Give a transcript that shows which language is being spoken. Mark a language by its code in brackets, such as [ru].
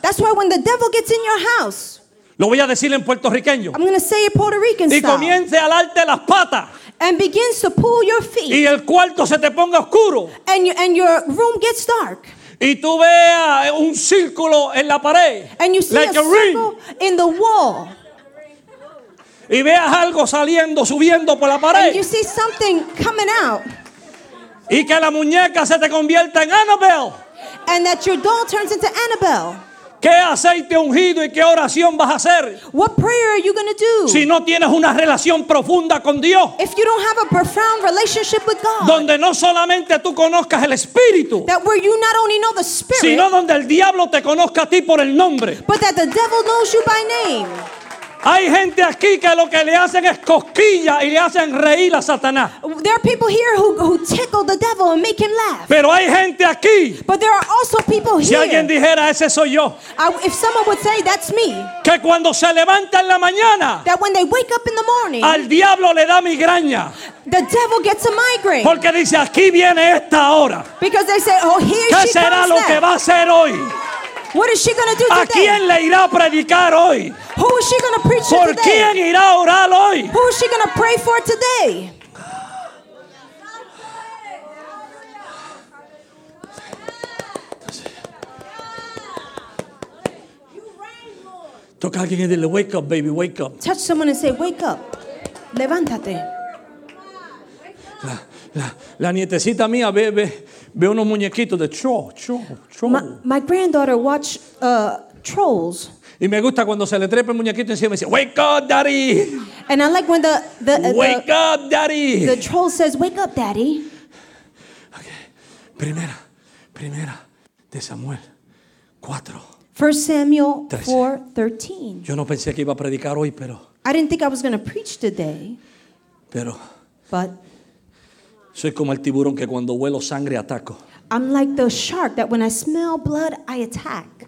[en] That's why when the devil gets in your house. [es] Lo voy a decir en puertorriqueño. [en] I'm going to say it Puerto Rican style. [es] Y comience a alarte las patas. [en] And begins to pull your feet. [es] Y el cuarto se te ponga oscuro. [en] And your room gets dark. [es] Y tú veas un círculo en la pared. [en] And you see like a circle in the wall. [es] Y veas algo saliendo, subiendo por la pared. [en] And you see something coming out. [es] Y que la muñeca se te convierta en Annabelle. [en] And that your doll turns into Annabelle. [es] ¿Qué aceite ungido y qué oración vas a hacer? [en] What prayer are you going to do? [es] Si no tienes una relación profunda con Dios. [en] If you don't have a profound relationship with God. [es] Donde no solamente tú conozcas el Espíritu. [en] That where you not only know the Spirit. [es] Sino donde el diablo te conozca a ti por el nombre. [en] But that the devil knows you by name. [es] Hay gente aquí que lo que le hacen es cosquillas y le hacen reír a Satanás. [en] There are people here who tickle the devil and make him laugh. [es] Pero hay gente aquí. [en] But there are also people here. [es] Si alguien dijera, ese soy yo. [en] If someone would say, that's me. [es] Que cuando se levanta en la mañana. [en] That when they wake up in the morning. [es] Al diablo le da migraña. [en] The devil gets a migraine. [es] Porque dice, aquí viene esta hora. [en] Because they say, oh, here she comes. [es] ¿Qué será lo que va a hacer hoy? [en] What is she going to do today? [es] ¿A quién le irá a predicar hoy? [en] Who is she going to preach [es] ¿Por [en] today? [es] Quién irá a orar hoy? [en] Who is she going to pray for today? [es] Toca alguien y dile, [en] wake up, baby, wake up. Touch someone and say, wake up. [es] Levántate. La nietecita mía ve unos muñequitos de troll. [en] My granddaughter watch trolls. [es] Y me gusta cuando se le trepa el muñequito encima y me dice, [en] wake up, daddy. And I like when the troll says, wake up, daddy. [es] Okay. Primera de Samuel 4. [en] 1 Samuel 4:13. [es] Yo no pensé que iba a predicar hoy, pero. [en] I didn't think I was going to preach today. [es] Pero. [en] But. [es] Soy como el tiburón que cuando huelo sangre ataco. [en] I'm like the shark that when I smell blood, I attack.